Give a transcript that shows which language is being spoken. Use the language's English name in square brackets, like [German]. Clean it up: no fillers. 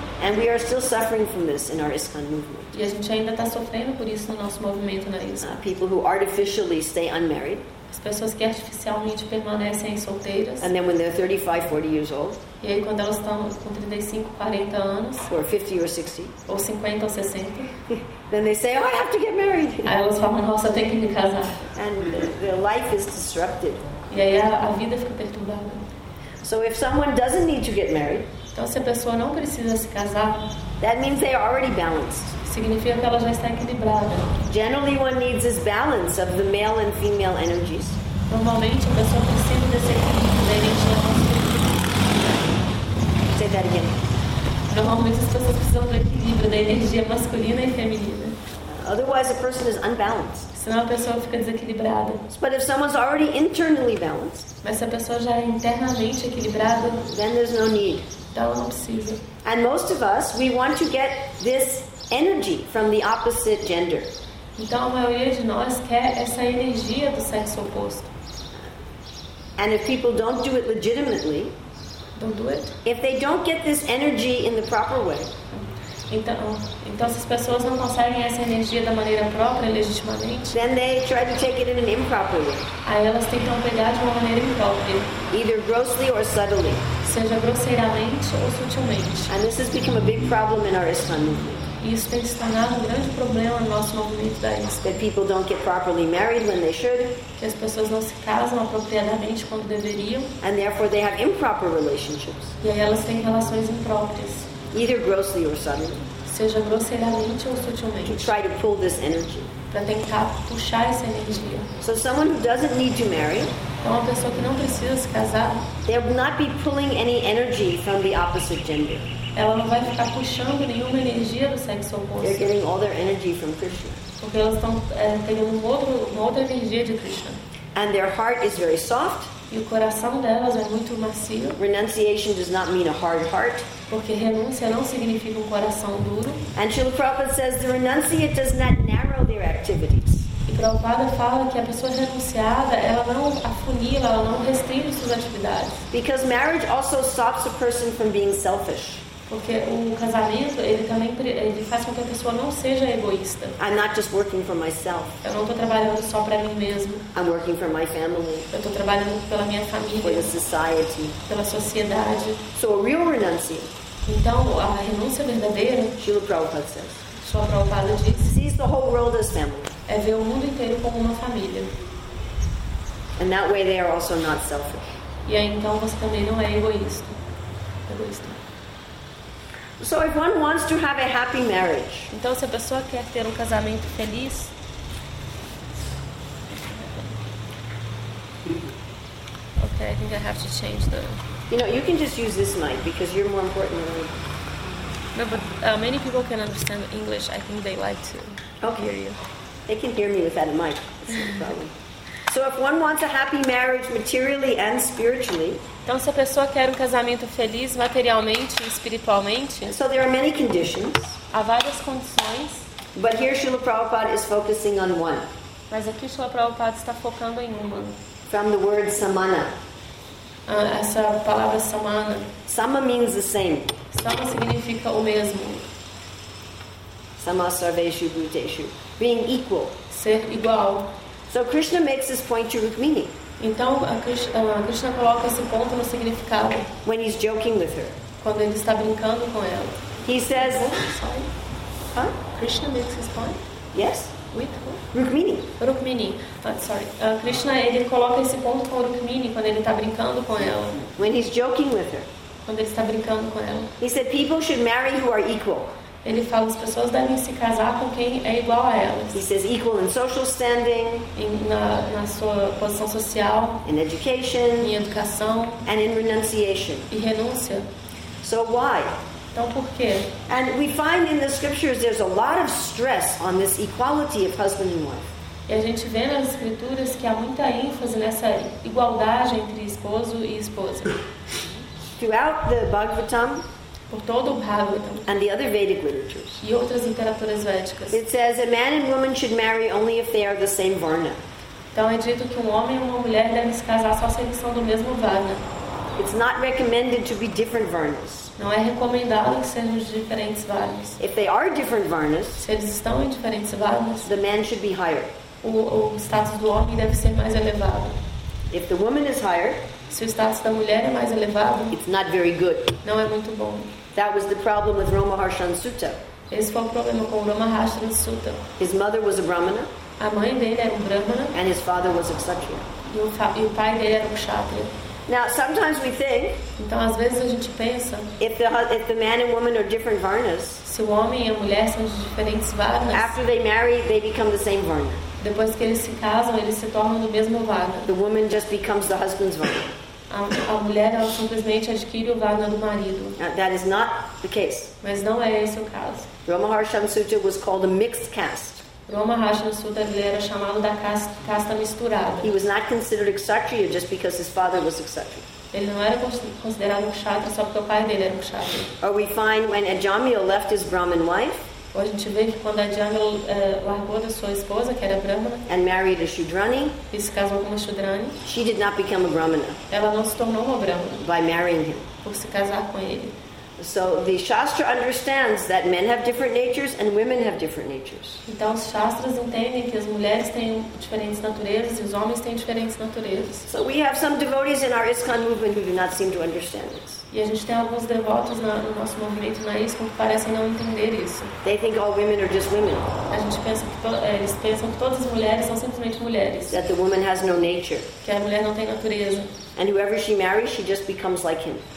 [English] And we are still suffering from this in our ISKCON movement. [Portuguese] E a gente ainda está sofrendo por isso no nosso movimento na ISKCON. [English] People who artificially stay unmarried. [Portuguese] As pessoas que artificialmente permanecem solteiras. [English] And then when they're 35, 40 years old. [Portuguese] E aí quando elas estão com 35, 40 anos. [English] Or 50 or 60. [Portuguese] Ou 50 ou 60. [English] Then they say, oh, I have to get married. [Portuguese] Aí elas falam, nossa, eu tenho que me casar. [English] And their life is disrupted. [Portuguese] E aí a vida fica perturbada. [English] So if someone doesn't need to get married. [Portuguese] Então se a pessoa não precisa se casar. [English] That means they are already balanced. [Portuguese] Significa que ela já está equilibrada. [English] Generally, one needs this balance of the male and female energies. [Portuguese] Normalmente, a pessoa precisa desse equilíbrio da energia masculina. [English] Say that again. [Portuguese] Normalmente, as pessoas precisam do equilíbrio da energia masculina e feminina. [English] Otherwise, a person is unbalanced. [Portuguese] Senão, a pessoa fica desequilibrada. [English] But if someone's already internally balanced, [Portuguese] mas se a pessoa já é internamente equilibrada, [English] then there's no need. [Portuguese] Então, não precisa. [English] And most of us, we want to get this energy from the opposite gender. [Portuguese] Então, a maioria de nós quer essa energia do sexo oposto. [English] And if people don't do it legitimately, don't do it. If they don't get this energy in the proper way, [Portuguese] então se as pessoas não conseguem essa energia da maneira própria, legitimamente, [English] then they try to take it in an improper way. [Portuguese] Aí elas tentam pegar de uma maneira imprópria. [English] Either grossly or subtly. [Portuguese] Seja grosseiramente ou sutilmente. [English] And this has become a big problem in our ISKCON movement. [Portuguese] Isso tem se tornado um grande problema no nosso movimento da ISKCON. [English] That people don't get properly married when they should. [Portuguese] Que as pessoas não se casam apropriadamente quando deveriam. [English] And therefore they have improper relationships. [Portuguese] E aí elas têm relações impróprias. [English] Either grossly or subtly. [Portuguese] Seja grosseiramente ou sutilmente. [English] To try to pull this energy. [Portuguese] Para tentar puxar essa energia. [English] So someone who doesn't need to marry. [Portuguese] Então uma pessoa que não precisa se casar. [English] They will not be pulling any energy from the opposite gender. [Portuguese] Ela não vai ficar puxando nenhuma energia do sexo oposto. [English] They're getting all their energy from Krishna. [Portuguese] Porque elas estão pegando uma outra energia de Krishna. [English] And their heart is very soft. [Portuguese] E o coração delas é muito macio. [English] Renunciation does not mean a hard heart. [Portuguese] Porque renúncia não significa um coração duro. [English] And Srila Prabhupada says the renunciate does not narrow their activities. [Portuguese] E Prabhupada fala que a pessoa renunciada, ela não afunila, ela não restringe suas atividades. [English] Because marriage also stops a person from being selfish. [Portuguese] Porque o casamento, ele também ele faz com que a pessoa não seja egoísta. [English] I'm not just working for myself. [Portuguese] Eu não estou trabalhando só para mim mesmo. [English] I'm working for my family. [Portuguese] Eu estou trabalhando pela minha família. [English] For the society. [Portuguese] Pela sociedade. [English] So a real renunciation. [Portuguese] Então, a renúncia verdadeira, [English] Srila Prabhupada says, [Portuguese] Srila Prabhupada diz, [English] sees the whole world as family. [Portuguese] É ver o mundo inteiro como uma família. [English] And that way they are also not selfish. [Portuguese] E aí, então, você também não é egoísta. [English] So if one wants to have a happy marriage. [Portuguese] Então se a pessoa quer ter um casamento feliz. [English] Okay, I think I have to change the. You know, you can just use this mic because you're more important than me. No, but many people can understand English. I think they like to hear you. They can hear me without a mic. That's no problem. So if one wants a happy marriage materially and spiritually. [Portuguese] Então se a pessoa quer um casamento feliz materialmente e espiritualmente. [English] So there are many conditions. [Portuguese] Há várias condições. [English] But here Srila Prabhupada is focusing on one. [Portuguese] Mas aqui Srila Prabhupada está focando em uma. [English] From the word samana. [Portuguese] Essa palavra samana. [English] Sama means the same. [Portuguese] Sama significa o mesmo. [Sanskrit] Sama sarveshu bhuteshu. [English] Being equal. [Portuguese] Ser igual. [English] So Krishna makes this point to Rukmini. [Portuguese] Então Krishna coloca esse ponto no significado. [English] When he's joking with her. [Portuguese] Quando ele está brincando com ela. [English] He says. Sorry. Huh? Krishna makes this point. Yes. With who? Rukmini. Rukmini. [Portuguese] Krishna ele coloca esse ponto com Rukmini quando ele está brincando com ela. [English] When he's joking with her. [Portuguese] Quando ele está brincando com ela. [English] He said people should marry who are equal. [Portuguese] Ele fala as pessoas devem se casar com quem é igual a elas. [English] He says equal in social standing, [Portuguese] na sua posição social, [English] in education, [Portuguese] em educação, [English] and in renunciation. [Portuguese] E renúncia. [English] So why? [Portuguese] Então por quê? [English] And we find in the scriptures there's a lot of stress on this equality of husband and wife. [Portuguese] E a gente vê nas escrituras que há muita ênfase nessa igualdade entre esposo e esposa. [English] Throughout the Bhagavatam, [Portuguese] por todo o Bhagavatam, [English] and the other Vedic literatures, [Portuguese] e outras literaturas védicas, [English] it says a man and woman should marry only if they are the same varna. [Portuguese] Então é dito que homem e uma mulher devem se casar só se eles são do mesmo varna. [English] It's not recommended to be different varnas. [Portuguese] Não é recomendado que sejam de diferentes varnas. [English] If they are different varnas, [Portuguese] se eles estão em diferentes varnas, [English] the man should be higher. [Portuguese] O status do homem deve ser mais elevado. [English] If the woman is higher, [Portuguese] se o status da mulher é mais elevado, [English] it's not very good. [Portuguese] Não é muito bom. [English] That was the problem with Roma Harshan Sutta. [Portuguese] Esse foi o problema com Roma Harshan Sutta. [English] His mother was a brahmana. [Portuguese] A mãe dele era um brahmana. [English] And his father was a kshatriya. [Portuguese] E o pai dele era um kshatriya. [English] Now, sometimes we think, [Portuguese] então, às vezes a gente pensa, [English] if the man and woman are different varnas, [Portuguese] se o homem e a mulher são de diferentes varnas, [English] after they marry, they become the same varna. [Portuguese] Depois que eles se casam, eles se tornam do mesmo varna. [English] The woman just becomes the husband's varna. [Portuguese] A mulher, ela simplesmente adquire o varna do marido. [English] That is not the case. [Portuguese] Mas não é esse o caso. [English] Roma Harshan Sutta was called a mixed caste. [Portuguese] Roma Harshan Sutta era chamado da casta misturada. [English] He was not considered a kshatriya just because his father was a kshatriya. [Portuguese] Ele não era considerado um kshatriya só porque o pai dele era um kshatriya. [English] Or we find when Ajamila left his Brahmin wife, [Portuguese] ou a gente vê que quando Ajamila largou da sua esposa, que era Brahmana, [English] and married a Shudrani, [Portuguese] e se casou com uma Shudrani, [English] she did not become a Brahmana. [Portuguese] Ela não se tornou uma Brahmana [English] by marrying him. [Portuguese] Por se casar com ele. [English] So the Shastra understands that men have different natures and women have different natures. [Portuguese] Então os Shastras entendem que as mulheres têm diferentes naturezas e os homens têm diferentes naturezas. [English] So we have some devotees in our ISKCON movement who do not seem to understand this. [Portuguese] E a gente tem alguns devotos no nosso movimento na ISKCON que parecem não entender isso. [English] They think all women are just women. [Portuguese] A gente pensa que eles pensam que todas as mulheres são simplesmente mulheres. [English] That the woman has no nature. [Portuguese] Que a mulher não tem natureza. [English] And whoever she marries, she just becomes like him.